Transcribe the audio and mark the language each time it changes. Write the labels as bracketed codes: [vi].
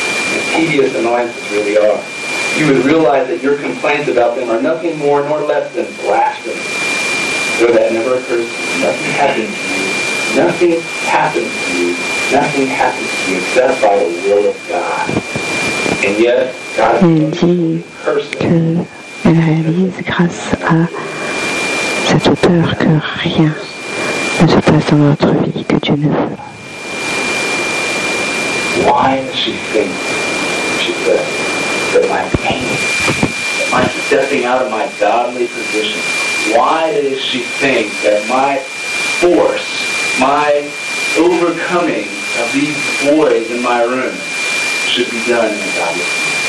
[en] You would realize that your complaints about them are nothing more nor less than blasphemy. Though that never occurs to you, nothing happens to you. Nothing happens to you. Nothing happens to you except by the will of God. And yet, God is cursing. [fr] Elle réalise grâce à cet auteur que rien ne se passe dans notre vie que Dieu ne veut. [en] Why does she think, she says, that my pain, that my stepping out of my godly position, why does she think that my force, my overcoming of these boys in my room should be done in a godly way?